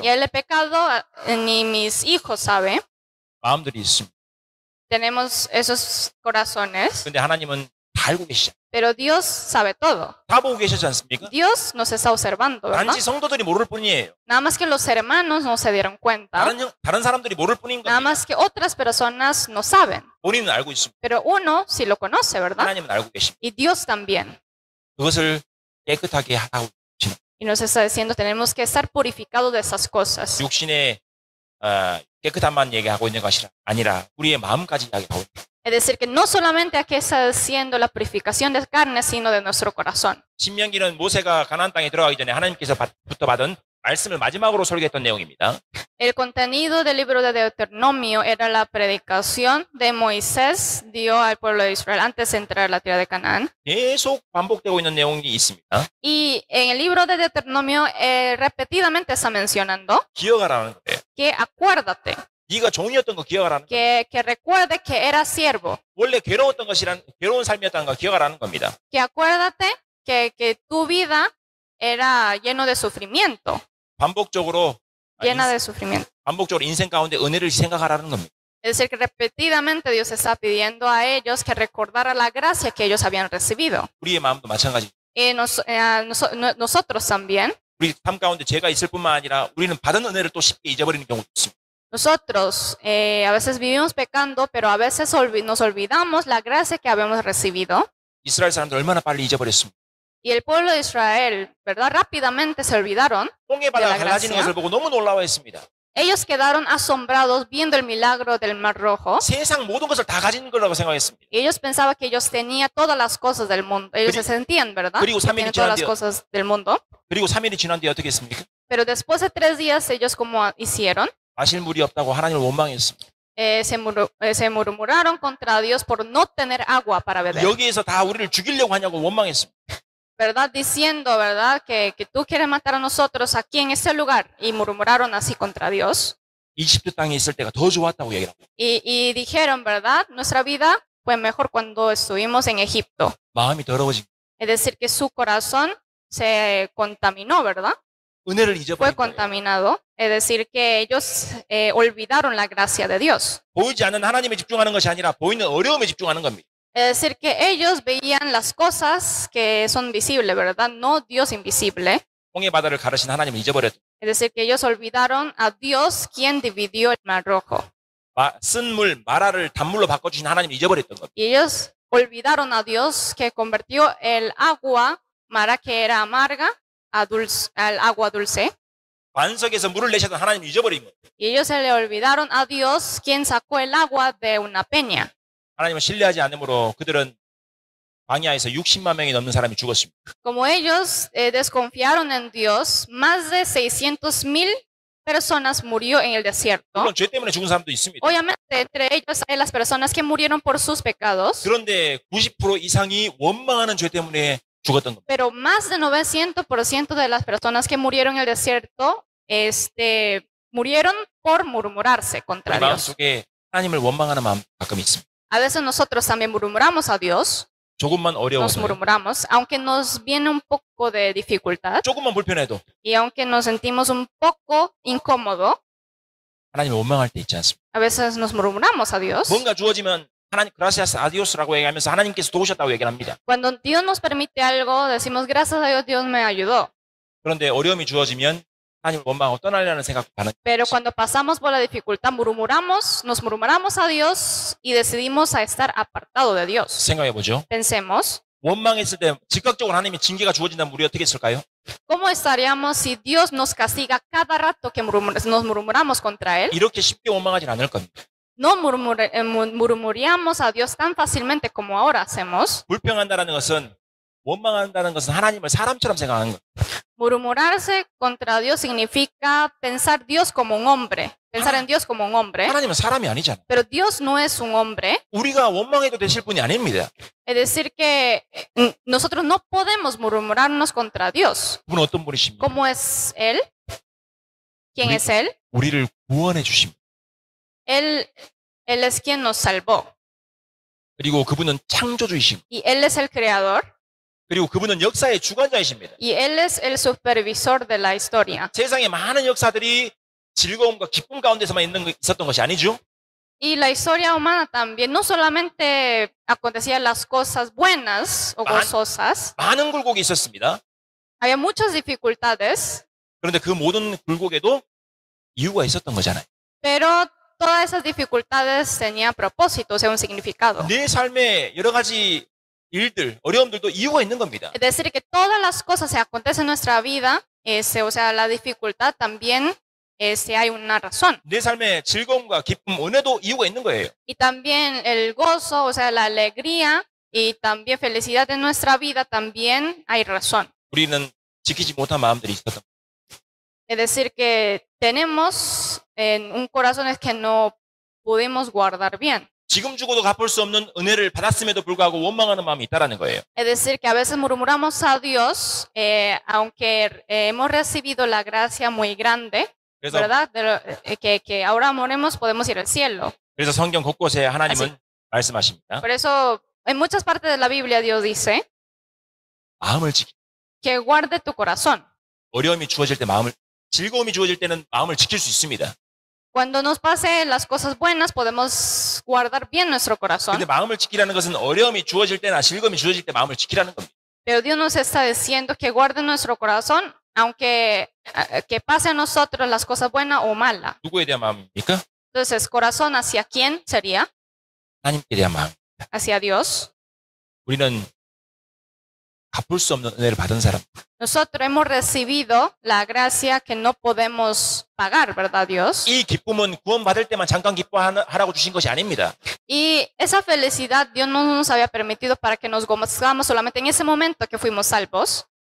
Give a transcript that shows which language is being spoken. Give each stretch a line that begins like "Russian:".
Spanish: Y el pecado ni mis hijos sabe.
Korean: 마음들이 있습니다.
Spanish: Tenemos esos corazones.
Korean: 근데 하나님은 다 알고 계시죠.
Spanish: Pero Dios sabe todo.
Korean: 다 보고 계시지 않습니까?
Spanish: Dios nos está observando, ¿verdad?
Korean: 단지 성도들이 모를 뿐이에요.
Spanish: Nada más que los hermanos no se dieron cuenta.
Korean: 다른 사람들이 모를 뿐인 겁니다.
Spanish: Nada más que otras personas no saben.
Korean: 본인은 알고 있습니다.
Spanish: Pero uno sí lo conoce, ¿verdad?
Korean: 하나님은 알고 계십니다.
Spanish: Y Dios también.
Korean: 그것을 깨끗하게 하고 계십니다.
Spanish: Y nos está diciendo tenemos que estar purificados de esas cosas.
Korean: 육신의 깨끗함만 얘기하고 있는 것이 아니라 우리의 마음까지 이야기하고 있습니다.
Spanish: Es decir, que no solamente aquí está haciendo la purificación de carne, sino de nuestro corazón.
Korean: 신명기는 모세가 가나안 땅에 들어가기 전에 하나님께서 부터 받은 말씀을 마지막으로 설교했던 내용입니다.
Spanish: El contenido del libro de Deuteronomio era la predicación de Moisés dio al pueblo de Israel antes de entrar a la tierra de Canaán.
Korean: 계속 반복되고 있는 내용이 있습니다.
Spanish: Y en el libro de Deuteronomio repetidamente está mencionando
Korean: 기억하라는 거예요.
Spanish: Que acuérdate.
Korean: 네가 종이었던 거 기억하라는
Spanish: que recuerde que era siervo.
Korean: 원래 괴로웠던 것이란 괴로운 삶이었다는 거 기억하라는 겁니다.
Spanish: Que acuérdate que tu vida era lleno de sufrimiento.
Korean: 반복적으로
Spanish: llena de sufrimiento.
Korean: 반복적으로 인생 가운데 은혜를 생각하라는 겁니다.
Spanish: Es decir que repetidamente Dios está pidiendo a ellos que recordara la gracia que ellos habían recibido.
Korean: 우리의 마음도 마찬가지.
Spanish: Nosotros también.
Korean: 우리 삶 가운데 죄가 있을 뿐만 아니라 우리는 받은 은혜를 또 쉽게 잊어버리는 경우도 있습니다.
Spanish: Nosotros a veces vivimos pecando, pero a veces nos olvidamos la gracia que habíamos recibido.
Korean: Israel 사람들 얼마나 빨리 잊어버렸습니까?
Spanish: Y el pueblo de Israel, ¿verdad? Rápidamente se olvidaron de la gracia.
Korean: 갈라지는 것을 보고 너무 놀라워했습니다.
Spanish: Ellos quedaron asombrados viendo el milagro del Mar Rojo.
Korean: 세상 모든 것을 다 가진 거라고 생각했습니다.
Spanish: Ellos pensaban que ellos tenían todas las cosas del mundo. Ellos
Korean: 그리고,
Spanish: se sentían, ¿verdad?
Korean: 그리고 3일이 지난 뒤에,
Spanish: todas las cosas del mundo.
Korean: 그리고 3일이 지난 뒤에 어떻게 했습니까?
Spanish: Pero después de tres días ellos cómo hicieron?
Korean: 마실 물이 없다고 하나님을 원망했습니다.
Spanish: Se murmuraron contra Dios por no tener agua para beber.
Korean: 여기에서 다 우리를 죽이려고 하냐고 원망했습니다.
Spanish: ¿Verdad? Diciendo, ¿verdad? Que tú quieres matar a nosotros aquí en este lugar y murmuraron así contra Dios.
Korean: 이집트 땅에 있을 때가 더 좋았다고 얘기합니다.
Spanish: Y dijeron, ¿verdad? Nuestra vida fue mejor cuando estuvimos en Egipto.
Korean: 마음이 더러워진.
Spanish: Es decir, que su corazón se contaminó, ¿verdad?
Korean: 은혜를 잊어버린
Spanish: fue contaminado. Es decir, que ellos olvidaron la gracia de Dios.
Korean: 보이지 않는 하나님에 집중하는 것이 아니라 보이는 어려움에 집중하는 겁니다.
Spanish: Es decir, que ellos veían las cosas que son visibles, ¿verdad? No Dios invisible.
Korean: 홍해 바다를 가르신 하나님을 잊어버렸다.
Spanish: Es decir, que ellos olvidaron a Dios quien dividió el mar rojo.
Korean: 쓴 물, 마라를 단물로 바꿔주신 하나님을 잊어버렸던 겁니다.
Spanish: Y ellos olvidaron a Dios que convirtió el agua, mara que era amarga, al agua dulce.
Korean: 반석에서 물을 내셨던 하나님을 잊어버린 거예요.
Spanish: Y ellos se le olvidaron a Dios quien sacó el agua de una peña.
Korean: 하나님을 신뢰하지 않으므로 그들은 광야에서 60만 명이 넘는 사람이 죽었습니다.
Spanish: Como ellos desconfiaron en Dios, más de 600.000 personas murió en el desierto.
Korean: 물론 죄 때문에 죽은 사람도 있습니다.
Spanish: Obviamente, entre ellos hay las personas que murieron por sus pecados.
Korean: 그런데 90% 이상이 원망하는 죄 때문에 죽었던 겁니다.
Spanish: Pero más de 900% de las personas que murieron en el desierto murieron por murmurarse contra Dios.
Korean: 마음속에 하나님을 원망하는 마음 가끔 있습니다.
Spanish: A veces nosotros también murmuramos a Dios.
Korean: 조금만 어려워서.
Spanish: Nos murmuramos, aunque nos viene un poco de dificultad.
Korean: 조금만 불편해도.
Spanish: Y aunque nos sentimos un poco incómodo.
Korean: 하나님을 원망할 때 있지 않습니까?
Spanish: A veces nos murmuramos a Dios.
Korean: 뭔가 주어지면 하나님
Spanish: gracias a Dios
Korean: 라고 얘기하면서 하나님께서 도우셨다고 얘기합니다.
Spanish: Cuando Dios nos permite algo, decimos gracias a Dios, Dios me ayudó.
Korean: 그런데 어려움이 주어지면 하나님을 원망하고 떠나려는 생각도 가는.
Spanish: Pero cuando pasamos por la dificultad, murmuramos, nos murmuramos a Dios y decidimos a estar apartado de Dios.
Korean: 생각해 보죠.
Spanish: Pensemos.
Korean: 원망했을 때 즉각적으로 하나님이 징계가 주어진다면 우리 어떻게 했을까요?
Spanish: ¿Cómo estaríamos si Dios nos castiga cada rato que nos murmuramos contra él?
Korean: 이렇게 쉽게 원망하진 않을 겁니다.
Spanish: No murmuramos a Dios tan fácilmente como ahora hacemos.
Korean: 불평한다는 것은 원망한다는 것은 하나님을 사람처럼 생각하는 것.
Spanish: Murmurarse contra Dios significa pensar Dios como un hombre. Pensar en Dios como un hombre.
Korean: 하나님은 사람이 아니잖아요.
Spanish: Pero Dios no es un hombre.
Korean: 우리가 원망해도 되실 분이 아닙니다.
Spanish: Es decir que nosotros no podemos murmurarnos contra Dios.
Korean: 그분은 어떤 분이십니까?
Spanish: ¿Cómo es él? ¿Quién es él?
Korean: 우리를 구원해 주십니다.
Spanish: Él es quien nos salvó.
Korean: 그리고 그분은 창조주이신.
Spanish: Y él es el creador.
Korean: 그리고 그분은 역사의 주관자이십니다.
Spanish: Y él es el supervisor de la historia.
Korean: 세상에 많은 역사들이 즐거움과 기쁨 가운데서만 있었던 것이 아니죠?
Spanish: Y la historia humana también no solamente acontecían las cosas buenas o gozosas.
Korean: 많은 굴곡이 있었습니다.
Spanish: Había muchas dificultades.
Korean: 그런데 그 모든 굴곡에도 이유가 있었던 거잖아요.
Spanish: Pero todas esas dificultades tenían propósito, o sea, un significado.
Korean: 내 삶에 여러 가지 일들, 어려움들도 이유가 있는 겁니다.
Spanish: Es decir que todas las cosas que acontecen en nuestra vida, ese, o sea, la dificultad también ese hay una razón.
Korean: 내 삶에 즐거움과 기쁨, 은혜도 이유가 있는 거예요.
Spanish: Y también el gozo, o sea, la alegría y también felicidad en nuestra vida también hay razón.
Korean: 우리는 지키지 못한 마음들이 있었던
Spanish: Es decir que tenemos en un corazón es que no pudimos guardar bien.
Korean: 지금 죽어도 갚을 수 없는 은혜를 받았음에도 불구하고 원망하는 마음이 있다라는 거예요.
Spanish: Es decir que a veces murmuramos a Dios aunque hemos recibido la gracia muy grande,
Korean: 그래서,
Spanish: ¿verdad? Pero, que ahora moremos podemos ir al cielo.
Korean: 그래서 성경 곳곳에 하나님은
Spanish: Así,
Korean: 말씀하십니다.
Spanish: Por eso en muchas partes de la Biblia Dios dice
Korean: 마음을 지키.
Spanish: Que guarde tu corazón.
Korean: 어려움이 주어질 때 마음을 즐거움이 주어질 때는 마음을 지킬 수 있습니다.
Spanish: Cuando nos pase las cosas buenas podemos guardar bien nuestro corazón.
Korean: 근데 마음을 지키라는 것은 어려움이 주어질 때나 즐거움이 주어질 때 마음을 지키라는 겁니다.
Spanish: Pero Dios nos está diciendo que guarde nuestro corazón aunque que pase a nosotros las cosas buenas o malas.
Korean: 누구에 대한 마음입니까?
Spanish: Entonces, corazón hacia quién sería?
Korean: 하나님께 대한 마음.
Spanish: Hacia Dios.
Korean: 우리는 갚을 수 없는 은혜를 받은 사람.
Spanish: Nosotros hemos recibido la gracia que no podemos pagar, ¿verdad, Dios?
Korean: 이 기쁨은 구원받을 때만 잠깐 기뻐하라고 주신 것이 아닙니다.
Spanish: Y esa felicidad Dios no nos había permitido para que nos gozáramos solamente en ese momento que fuimos salvos.